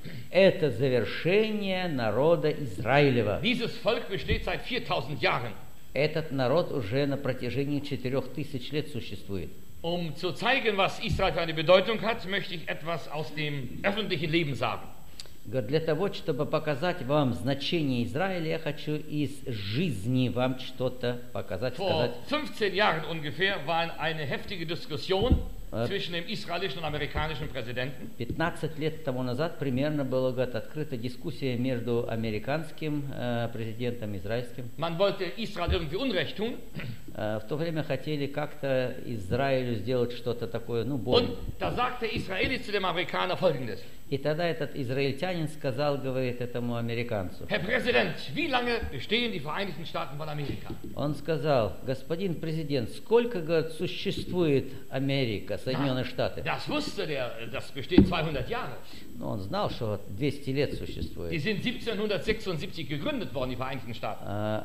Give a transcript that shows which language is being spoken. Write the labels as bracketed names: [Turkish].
[Russian] Это завершение народа Израилева. [German] Dieses Volk besteht seit 4000 Jahren. [Russian] Этот народ уже на протяжении 4000 лет существует. [German] Um zu zeigen, was Israel für eine Bedeutung hat, möchte ich etwas aus dem öffentlichen Leben sagen. [Russian] Для того, чтобы показать вам значение Израиля, я хочу из жизни вам что-то показать, [German] Vor [Russian] сказать. [German] 15 Jahren ungefähr war eine heftige Diskussion zwischen dem israelischen und amerikanischen Präsidenten. [Russian] 15 лет тому назад примерно была открыта дискуссия между американским президентом и израильским. [German] Man wollte Israel irgendwie Unrecht tun. [Russian] В то время хотели как-то Израилю сделать что-то такое, ну, больно. [German] Und da sagte Israeli zu dem Amerikaner folgendes. [Russian] И тогда этот израильтянин сказал, говорит этому американцу. [German] Herr Präsident, wie lange bestehen die Vereinigten Staaten von Amerika? [Russian] Он сказал, господин президент, сколько, говорит, существует Америка, Соединенные Штаты? [German] Das wusste der, das besteht 200 Jahre. [Russian] Ну, он знал, что 200 лет существует. [German] Die sind 1776 gegründet worden, die Vereinigten Staaten.